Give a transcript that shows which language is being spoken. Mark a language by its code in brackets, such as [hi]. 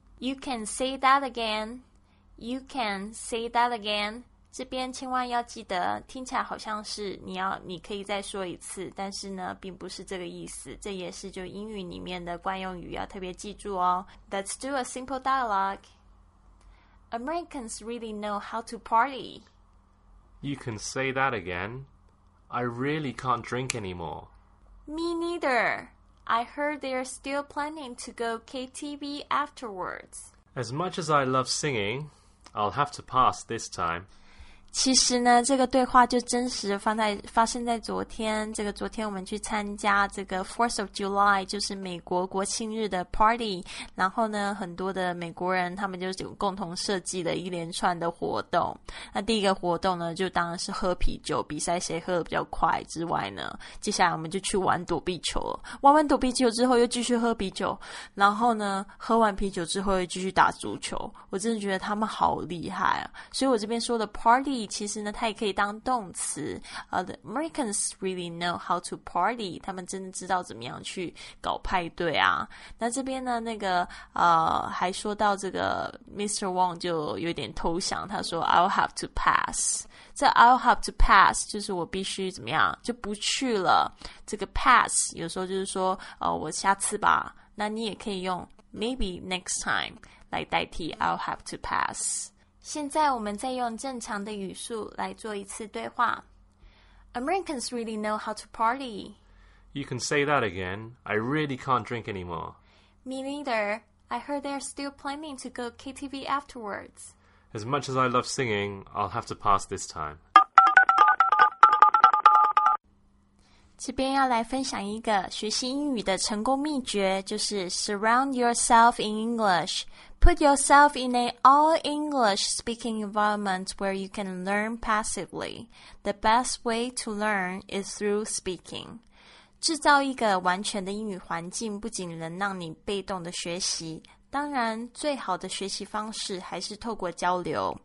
[en] You can say that again. You can say that again. [zh] 这边千万要记得，听起来好像是你可以再说一次，但是呢，并不是这个意思。这也是就英语里面的惯用语，要特别记住哦。 [en] Let's do a simple dialogue. Americans really know how to party. You can say that again. I really can't drink anymore. Me neither. I heard they're still planning to go KTV afterwards. As much as I love singing, I'll have to pass this time. [zh] 其实呢，这个对话就真实发生在昨天。这个昨天我们去参加这个 Fourth of July， 就是美国国庆日的 party。然后呢，很多的美国人他们就共同设计了一连串的活动。那第一个活动呢，就当然是喝啤酒比赛，谁喝的比较快。之外呢，接下来我们就去玩躲避球了。玩完躲避球之后，又继续喝啤酒。然后呢，喝完啤酒之后又继续打足球。我真的觉得他们好厉害啊！所以我这边说的 party。其实呢，它也可以当动词。 [en] The Americans really know how to party. [zh] 他们真的知道怎么样去搞派对啊。那这边呢，那个还说到这个 Mr. Wong 就有点投降，他说 [en] I'll have to pass. [zh] 这 [en] I'll have to pass [zh] 就是我必须怎么样就不去了。这个 pass 有时候就是说我下次吧。那你也可以用 [en] maybe next time [zh] 来代替 [en] I'll have to pass。 [zh] 现在我们再用正常的语速来做一次对话。 [en] Americans really know how to party. You can say that again. I really can't drink anymore. Me neither. I heard they're still planning to go KTV afterwards. As much as I love singing, I'll have to pass this time. [zh] 这边要来分享一个学习英语的成功秘诀，就是 [en] surround yourself in English. Put yourself in an all-English-speaking environment where you can learn passively. The best way to learn is through speaking. [zh] 制造一个完全的英语环境不仅能让你被动的学习，当然最好的学习方式还是透过交流。